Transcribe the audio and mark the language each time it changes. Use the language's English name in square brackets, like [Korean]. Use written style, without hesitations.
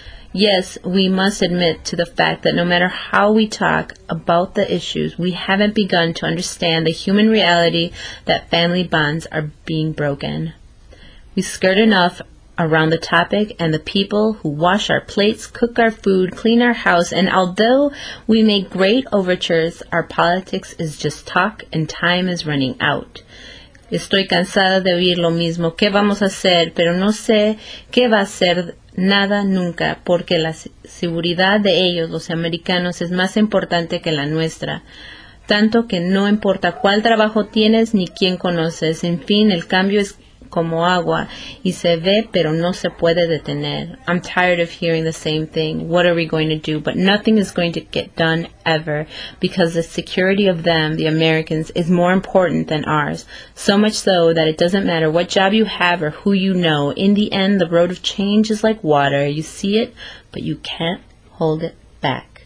[English] Yes, we must admit to the fact that no matter how we talk about the issues, we haven't begun to understand the human reality that family bonds are being broken. We skirt enough around the topic and the people who wash our plates, cook our food, clean our house, and although we make great overtures, our politics is just talk and time is running out. [Spanish] Estoy cansada de oír lo mismo. ¿Qué vamos a hacer? Pero no sé qué va a ser. Nada nunca, porque la seguridad de ellos, los americanos, es más importante que la nuestra. Tanto que no importa cuál trabajo tienes ni quién conoces. En fin, el cambio es como agua y se ve, pero no se puede detener. [English] I'm tired of hearing the same thing. What are we going to do? But nothing is going to get done ever because the security of them, the Americans, is more important than ours. So much so that it doesn't matter what job you have or who you know. In the end, the road of change is like water. You see it, but you can't hold it back.